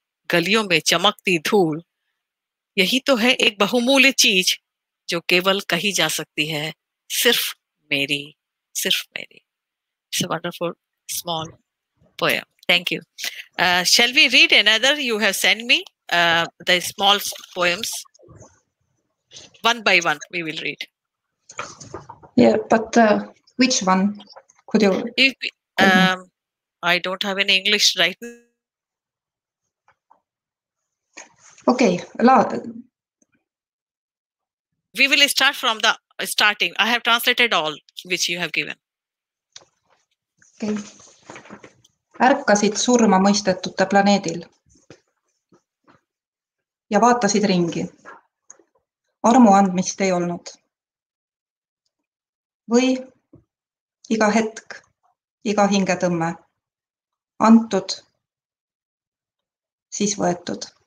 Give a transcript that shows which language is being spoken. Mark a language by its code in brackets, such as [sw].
[hi] गलियों में चमकती धूल यही तो है एक बहुमूल्य चीज जो केवल कही जा सकती है सिर्फ मेरी सिर्फ मेरी. [en] It's a wonderful small poem. Thank you. Shall we read another you have sent me, the small poems, one by one we will read. Yeah, but which one could you? I don't have any English right now. Okay. We will start from the starting. I have translated all which you have given. Okay. [et] Ärkasid surma mõistetute planeedil ja vaatasid ringi. Armu andmist ei olnud. Või iga hetk, iga hingetõmme antud, siis võetud.